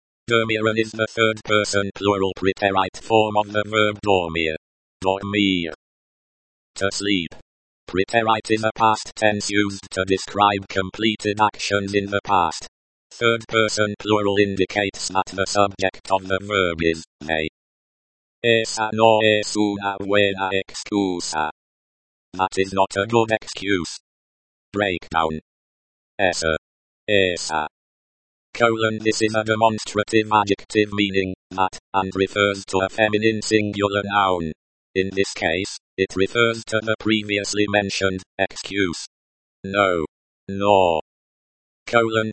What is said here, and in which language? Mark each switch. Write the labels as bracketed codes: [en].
[en] Dormieron is the third person plural preterite form of the verb dormir, dormir, to sleep. Preterite is a past tense used to describe completed actions in the past. Third person plural indicates that the subject of the verb is they. [es] Esa no es una buena excusa. [en] That is not a good excuse. Breakdown. Esa. Esa. Colon. This is a demonstrative adjective meaning that, and refers to a feminine singular noun. In this case, it refers to the previously mentioned excuse. No. No. Colon.